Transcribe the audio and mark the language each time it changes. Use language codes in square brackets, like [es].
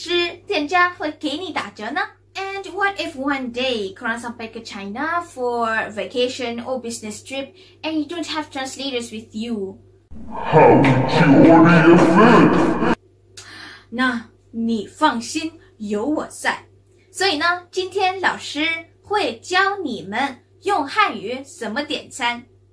[zh] 你用汉语点餐，谁知店家会给你打折呢？ [en] And what if one day [ms] korang sampai ke [en] China for vacation or business trip and you don't have translators with you? How would you order your food? [zh] 那你放心，有我在。所以呢，今天老师会教你们用汉语怎么点餐。